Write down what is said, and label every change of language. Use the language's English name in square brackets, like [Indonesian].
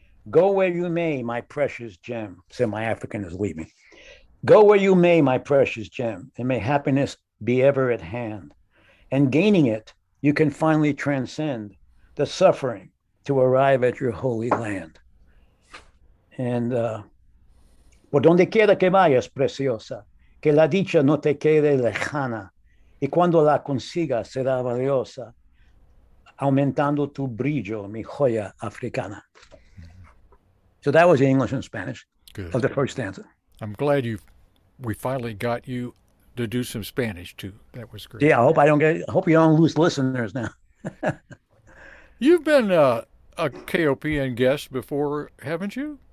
[English] Go where you may, my precious gem. So my African is leaving. Go where you may, my precious gem, and may happiness be ever at hand. And gaining it, you can finally transcend the suffering to arrive at your holy land. [Spanish] And por donde quiera que vayas, preciosa, que la dicha no te quede lejana, y cuando la consiga será valiosa, aumentando tu brillo, mi joya africana. [English] So that was the English and Spanish of the first stanza. I'm glad we finally got you to do some Spanish too. That was great. Yeah, I hope you don't lose listeners now. You've been a KOPN guest before, haven't you?